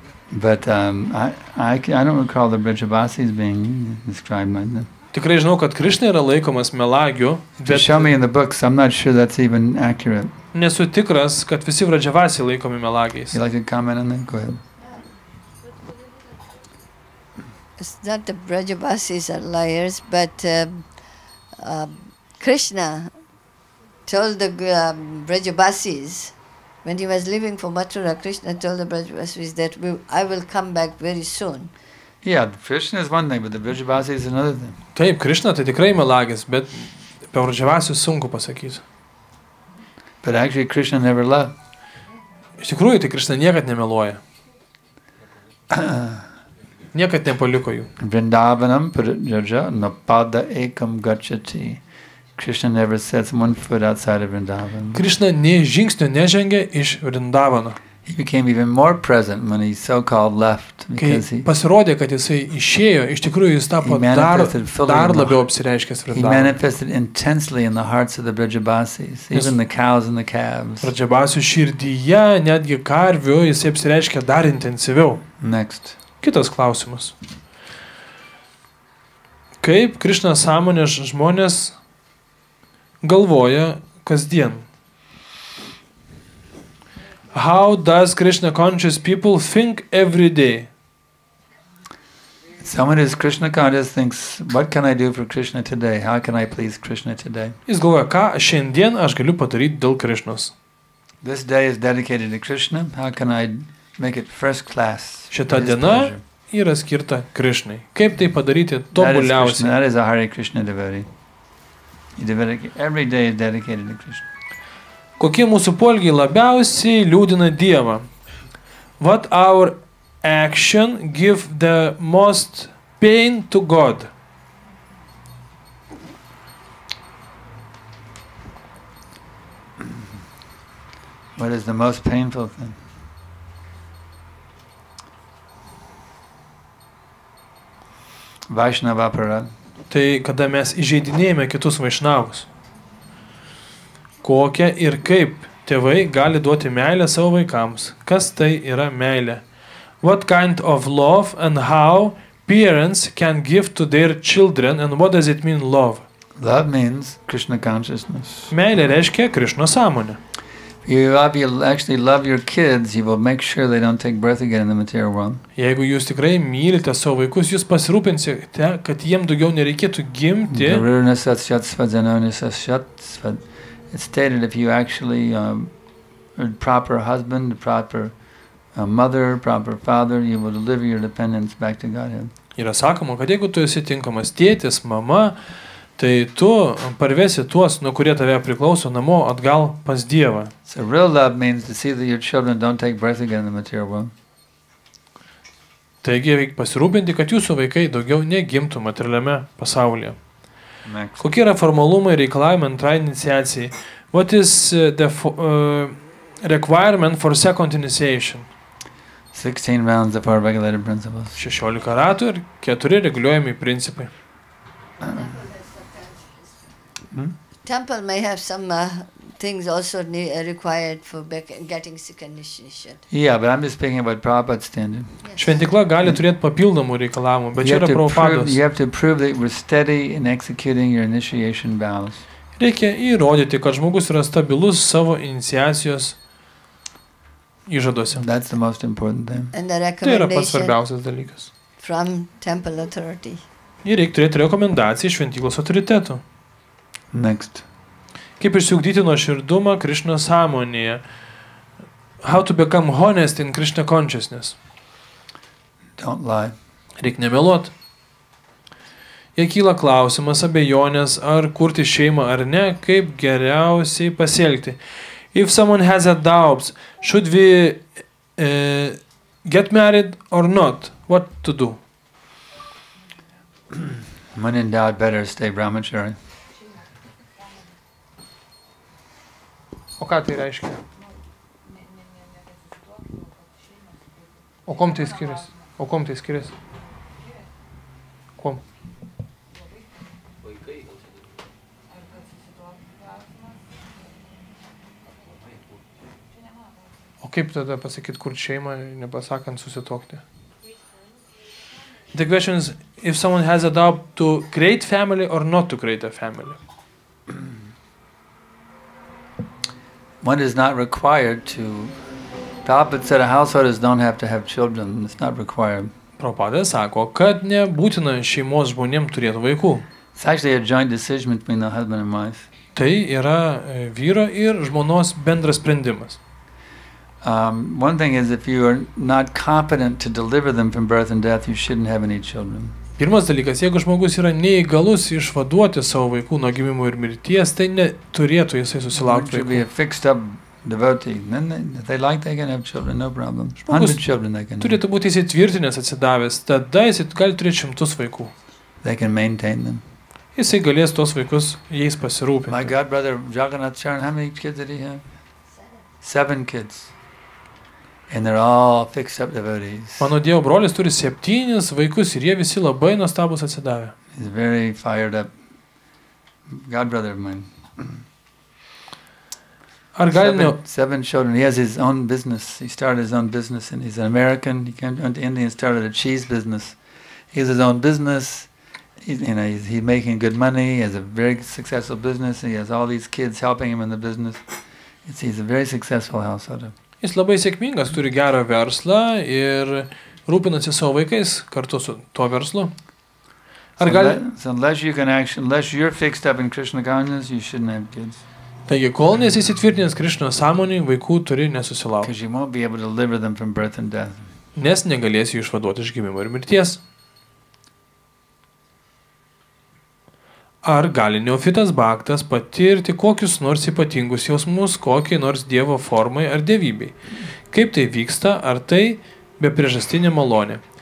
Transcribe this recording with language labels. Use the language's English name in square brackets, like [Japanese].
[English] But I don't recall the Vrajavasis being described by them. [Lithuanian] Tikrai žinau, kad Krishna yra laikomas melagiu. [English] Show me in the books. I'm not sure that's even accurate. [Lithuanian] nesu tikras, kad visi vradžiavasiai laikomi melagiais. [English] You like a comment on that? Go ahead. It's not the vradžiavasis are liars, but Krishna told the vradžiavasis when he was leaving for Mathura, Krishna told the vradžiavasis that I will come back very soon. Yeah, Krishna is one thing, but the vradžiavasis is another thing. [Lithuanian] Taip, Krishna tai tikrai melagis, bet apie vradžiavasius sunku pasakyti. [English] But actually Krishna never left. [Lithuanian] Iš tikrųjų, tai Krishna niekad nemeluoja. Niekad nepaliko jų. [Sanskrit] Vrindavanam pradžia napada ekam gacchati. [English] Krishna never sets one foot outside of Vrindavan. [Lithuanian] Krishna nė žingsnio nežengė iš Vrindavano. [English] He became even more present when he so-called left. [Lithuanian] Kai pasirodė, kad jisai išėjo, iš tikrųjų jis tapo dar labiau apsireiškęs Vrindavan. [English] He manifested intensely in the hearts of the Vrajabhasis, even the cows and the calves. [Lithuanian] Vrajabhasių širdyje, netgi karvių, jisai apsireiškė dar intensyviau. [English] Next. [Lithuanian] Kitas klausimas. Kaip Krishna sąmonės žmonės galvoja kasdien? [English] How does Krishna conscious people think every day? Someone who is Krishna conscious thinks, what can I do for Krishna today? How can I please Krishna today? [Lithuanian] Jis galvoja, ką šiandien aš galiu padaryti dėl Krishnos. [English] This day is dedicated to Krishna. How can I make it first class? [Lithuanian] Šita diena yra skirta Krishnai. Kaip tai padaryti tobuliausiai? [English] That is a Hare Krishna devotee. Every day is dedicated to Krishna. [Lithuanian] Kokie mūsų polgiai labiausiai liūdina Dievą? [English] What our action give the most pain to God? What is the most painful thing? [Sanskrit] Vaishnava aparad. [Lithuanian] Tai kada mes įžeidinėjame kitus vaišnavus. Kokia ir kaip tėvai gali duoti meilę savo vaikams? Kas tai yra meilė? [English] What kind of love and how parents can give to their children and what does it mean love? Love means Krishna consciousness. [Lithuanian] Meilė reiškia Krishna sąmonė. [English] You actually love your kids, you will make sure they don't take breath again in the material world. [Lithuanian] Jeigu jūs tikrai mylite savo vaikus, jūs pasirūpinsite, kad jiems daugiau nereikėtų gimti. [English] It's stated if you actually a proper husband, a proper mother, proper father, you will deliver your dependence back to Godhead. [Lithuanian] Yra sakoma, kad jeigu tu esi tinkamas tėtis, mama, tai tu parvesi tuos, nuo kurie tave priklauso, namo atgal pas Dievą. [English] So real love means to see that your children don't take breath again in the material world. [Lithuanian] Taigi reikia pasirūpinti, kad jūsų vaikai daugiau negimtų materialiame pasaulyje. [English] Next. [Lithuanian] Kokie yra formalumai reikalavimai antrai iniciacijai? [English] What is the requirement for second initiation? 16 rounds of our regulated principles. [Lithuanian] 16 ratų ir 4 reguliuojami principai. [English] Temple may have some things also required for getting second initiation. Yeah, but I'm just speaking about Prabhupada's standard. [Lithuanian] Šventikla gali turėti papildomų reikalavimų, bet čia yra Prabhupados. [English] You have to prove that you're steady in executing your initiation vows. [Lithuanian] Reikia įrodyti, kad žmogus yra stabilus savo iniciacijos įžaduose. [English] That's the most important thing. And the recommendation. [Lithuanian] Tai yra pats svarbiausias dalykas. [English] From temple authority. [Lithuanian] Ir reikia turėti rekomendaciją šventiklos autoritetų. [English] Next. [Lithuanian] Kaip išsiugdyti nuo širdumą Krishna sąmonėje? [English] How to become honest in Krishna consciousness? Don't lie. [Lithuanian] Reik nemeluot. Jei kyla klausimas, abejonės, ar kurti šeimą ar ne, kaip geriausiai pasielgti? [English] If someone has a doubt, should we get married or not? What to do? When in doubt, better stay brahmachari. [Lithuanian] O ką tai reiškia? O kom tai skiriasi? O kom tai skiriasi? Kom? O kaip tada pasakyti kur šeimą, nepasakant susitokti? [English] The question is, if someone has a doubt to create family or not to create a family? one is not required to. Prabhupada said a household don't have to have children. It's not required. [Lithuanian] Prabhupada sako, kad nebūtina šeimos žmonėms turėti vaikų. [English] It's actually a joint decision between the husband and wife. [Lithuanian] Tai yra vyro ir žmonos bendras sprendimas. [English] One thing is if you are not competent to deliver them from birth and death, you shouldn't have any children. [Lithuanian] Pirmas dalykas, jeigu žmogus yra neįgalus išvaduoti savo vaikų nuo gimimo ir mirties, tai neturėtų jisai susilaukti vaikų. [English] Be a fixed up devotee. If they like, they can have children, no problem. 100 children they can have. [Lithuanian] Turėtų būti įsitvirtinęs atsidavęs, tada jisai gali turėti 100 vaikų. [English] They can maintain them. [Lithuanian] Jisai galės tuos vaikus jais pasirūpinti. [English] My god brother Jagannath Charan, how many kids did he have? 7 kids. And they're all fixed up devotees. [Lithuanian] Mano dievo brolis turi 7 vaikus ir jie visi labai nuostabus atsidavę. [English] He's very fired up. God brother of mine. [Lithuanian] Ar galime... [English] 7 children. He has his own business. He started his own business and he's an American. He came to India and started a cheese business. He has his own business. He's making good money. He has a very successful business. He has all these kids helping him in the business. He's a very successful household. [Lithuanian] Jis labai sėkmingas, turi gerą verslą ir rūpinasi savo vaikais kartu su tuo verslu. Ar gali... [English] unless you're fixed up in Krishna consciousness, you shouldn't have kids. [Lithuanian] Taigi, kol nesi įsitvirtinęs Krishna sąmonėj, vaikų turi nesusilaukti. [English] Because you won't be able to deliver them from birth and death. [Lithuanian] Nes negalėsi išvaduoti iš gimimo ir mirties. Ar gali neofitas baktas patirti kokius nors ypatingus jausmus, kokiai nors dievo formai ar dievybei? Kaip tai vyksta, ar tai be priežastinė malonė?